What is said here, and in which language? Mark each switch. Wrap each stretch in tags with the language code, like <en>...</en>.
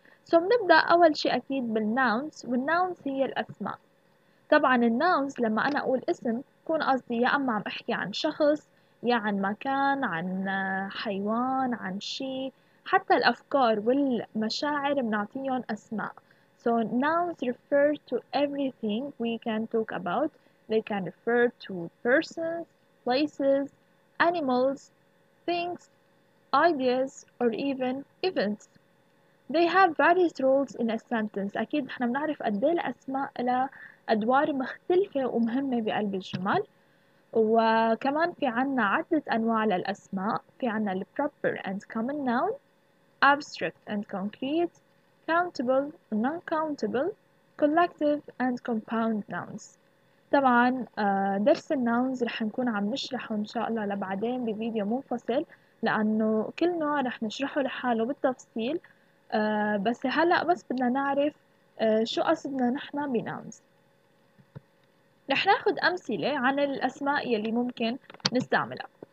<ar>سو بنبدأ أول شيء أكيد بالnouns، والnouns هي الأسماء. طبعاً النouns لما أنا أقول اسم بكون قصدي يا أما عم أحكي عن شخص، يا عن مكان، عن حيوان، عن شيء، حتى الأفكار والمشاعر بنعطيهم أسماء.</ar> <en>So nouns refer to everything we can talk about. They can refer to persons, places, animals, things, ideas, or even events. They have various roles in a sentence.</en> <ar>أكيد نحن بنعرف قد ايه الأسماء لها أدوار مختلفة ومهمة بقلب الجمل. وكمان في عنا عدة أنواع للأسماء. في عنا ال</ar> <en>proper and common noun, abstract and concrete, countable, non-countable, collective and compound nouns.</en> <ar>طبعا درس النونز رح نكون عم نشرحه ان شاء الله لبعدين بفيديو منفصل، لانه كل نوع رح نشرحه لحاله بالتفصيل، بس هلأ بس بدنا نعرف شو قصدنا نحن بنونز. رح ناخد امثلة عن الاسماء يلي ممكن نستعملها.</ar>